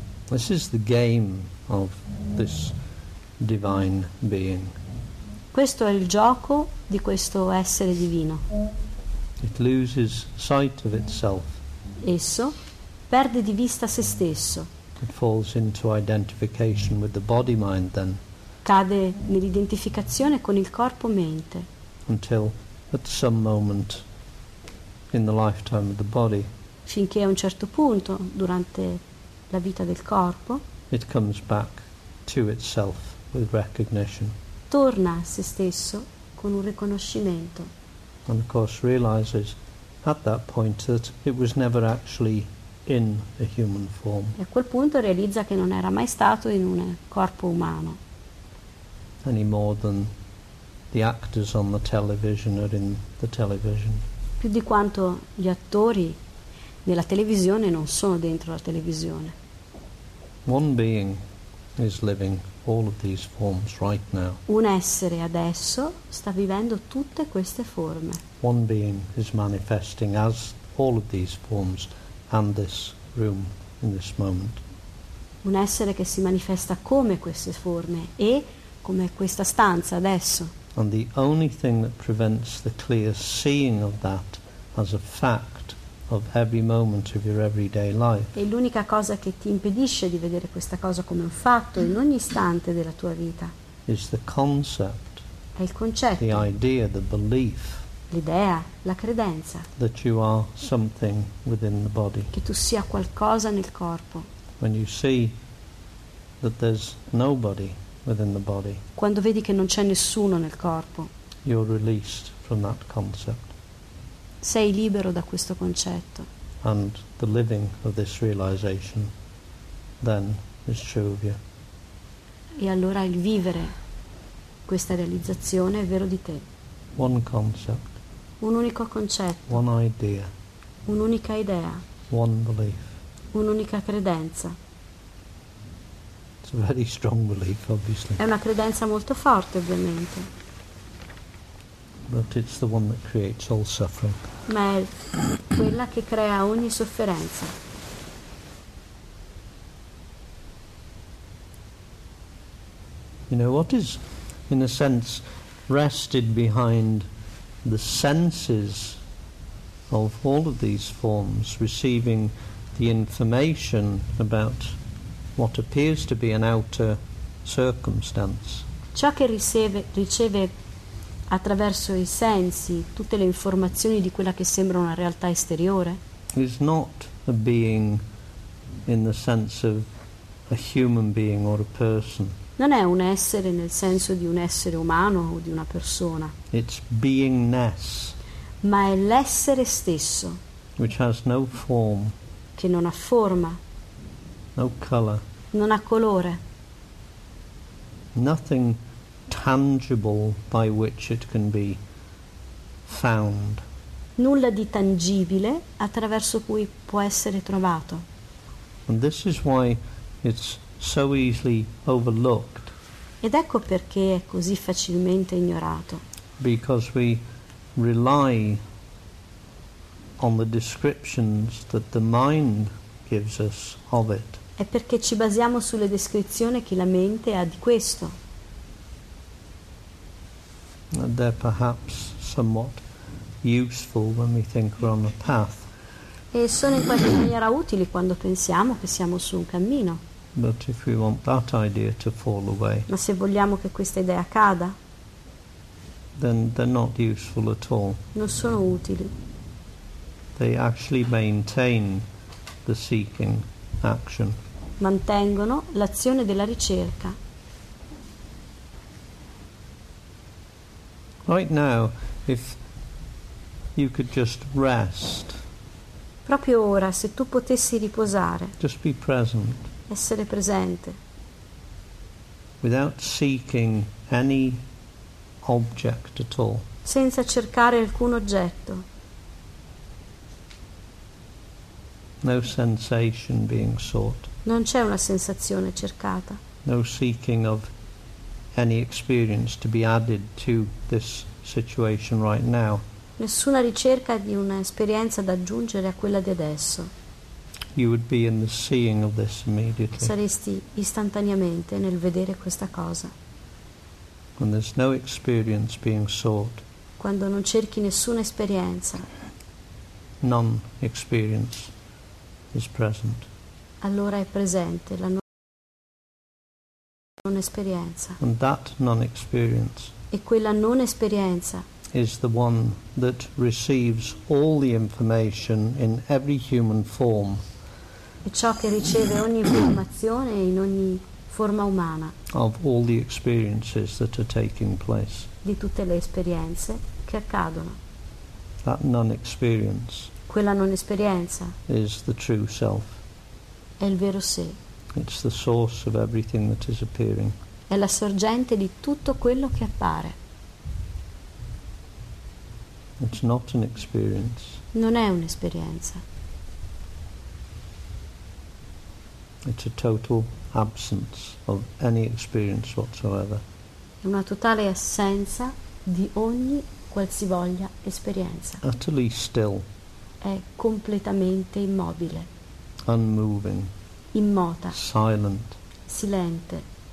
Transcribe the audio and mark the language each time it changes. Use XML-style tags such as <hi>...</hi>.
<en>This is the game of this divine being.</en> <it>Questo è il gioco di questo essere divino.</it> <en>It loses sight of itself.</en> <it>Esso perde di vista se stesso.</it> <en>It falls into identification with the body mind then.</en> <it>cade nell'identificazione con il corpo mente.</it> <en>Until at some moment in the lifetime of the body,</en> <it>finché a un certo punto durante la vita del corpo,</it> <en>it comes back to itself with recognition.</en> <it>Torna a se stesso con un riconoscimento.</it> <en>And of course realizes at that point that it was never actually in a human form.</en> <it>E a quel punto realizza che non era mai stato in un corpo umano.</it> <en>Any more than the actors on the television are in the television.</en> <it>Più di quanto gli attori nella televisione non sono dentro la televisione.</it> <en>One being is living all of these forms right now.</en> <it>Un essere adesso sta vivendo tutte queste forme.</it> <en>One being is manifesting as all of these forms and this room in this moment.</en> <it>Un essere che si manifesta come queste forme e come questa stanza adesso.</it> <en>And the only thing that prevents the clear seeing of that as a fact of every moment of your everyday life.</en> <it>E l'unica cosa che ti impedisce di vedere questa cosa come un fatto in ogni istante della tua vita.</it> <en>Is the concept.</en> <it>È il concetto.</it> <en>The idea, the belief.</en> <it>L'idea, la credenza.</it> <en>That you are something within the body.</en> <it>Che tu sia qualcosa nel corpo.</it> <en>When you see that there's nobody within the body.</en> <it>Quando vedi che non c'è nessuno nel corpo.</it> <en>You're released from that concept.</en> <it>Sei libero da questo concetto.</it> <en>And the living of this realization then is true of you.</en> <it>E allora il vivere questa realizzazione è vero di te.</it> <en>One concept.</en> <it>Un unico concetto.</it> <en>One idea.</en> <it>Un'unica idea.</it> <en>One belief.</en> <it>Un'unica credenza.</it> <en>It's a very strong belief, obviously.</en> <it>È una credenza molto forte, ovviamente.</it> <en>But it's the one that creates all suffering.</en> <it>Ma è quella che crea ogni sofferenza.</it> <en>You know, what is, in a sense, rested behind the senses of all of these forms, receiving the information about what appears to be an outer circumstance.</en> <it>Ciò che riceve attraverso I sensi tutte le informazioni di quella che sembra una realtà esteriore.</it> <en>Is not a being in the sense of a human being or a person.</en> <it>Non è un essere nel senso di un essere umano o di una persona.</it> <en>It's beingness.</en> <it>Ma è l'essere stesso.</it> <en>Which has no form.</en> <it>Che non ha forma.</it> <en>No color.</en> <it>Non ha colore.</it> <en>Nothing tangible by which it can be found.</en> <it>Nulla di tangibile attraverso cui può essere trovato.</it> <en>And this is why it's so easily overlooked.</en> <it>Ed ecco perché è così facilmente ignorato.</it> <en>Because we rely on the descriptions that the mind gives us of it.</en> <it>È perché ci basiamo sulle descrizioni che la mente ha di questo.</it> <en>And they're perhaps somewhat useful when we think we're on a path.</en> <it>E sono in qualche maniera utili quando pensiamo che siamo su un cammino.</it> <en>But if we want that idea to fall away,</en> <it>ma se vogliamo che questa idea cada,</it> <en>then they're not useful at all.</en> <it>Non sono utili.</it> <en>They actually maintain the seeking action.</en> <it>Mantengono l'azione della ricerca.</it> <en>Right now, if you could just rest.</en> <it>Proprio ora, se tu potessi riposare.</it> <en>Just be present.</en> <it>Essere presente.</it> <en>Without seeking any object at all.</en> <it>Senza cercare alcun oggetto.</it> <en>No sensation being sought.</en> <it>Non c'è una sensazione cercata.</it> <en>No seeking of any experience to be added to this situation right now.</en> <it>Nessuna ricerca di un'esperienza da aggiungere a quella di adesso.</it> <en>You would be in the seeing of this immediately.</en> <it>Saresti istantaneamente nel vedere questa cosa.</it> <en>When there's no experience being sought.</en> <it>Quando non cerchi nessuna esperienza.</it> <en>Non experience is present.</en> <it>Allora è presente la non esperienza.</it> <en>And that non-experience.</en> <it>E quella non esperienza.</it> <en>Is the one that receives all the information in every human form.</en> <it>È ciò che riceve ogni informazione in ogni forma umana.</it> <en>Of all the experiences that are taking place.</en> <it>Di tutte le esperienze che accadono.</it> <en>That non-experience.</en> <it>Quella non esperienza.</it> <en>Is the true self.</en> <it>È il vero sé.</it> <en>It's the source of everything that is appearing.</en> <it>È la sorgente di tutto quello che appare.</it> <en>It's not an experience.</en> <it>Non è un'esperienza.</it> <en>It's a total absence of any experience whatsoever.</en> <it>È una totale assenza di ogni qualsivoglia esperienza.</it> <en>Utterly still.</en> <it>È completamente immobile.</it> <en>Unmoving.</en> <it>Immota.</it> <en>Silent.</en> <it>Silente.</it>